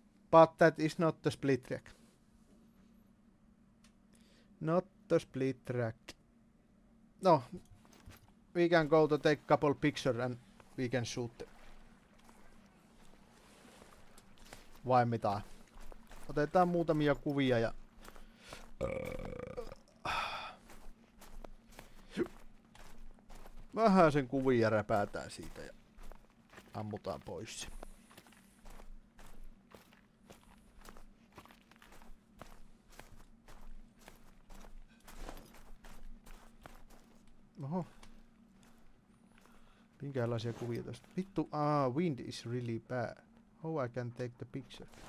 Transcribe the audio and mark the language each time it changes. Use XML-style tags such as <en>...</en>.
<en>But that is not the split track. Not the split track. No. We can go to take a couple picture and we can shoot them.</en> <fi>Vai mitä? Otetaan muutamia kuvia ja... Vähän sen kuvia räpäätään siitä ja ammutaan pois. Oho. Minkälaisia kuvia tästä?</fi> <en>Vittu, aa, wind is really bad. How I can take the picture?</en>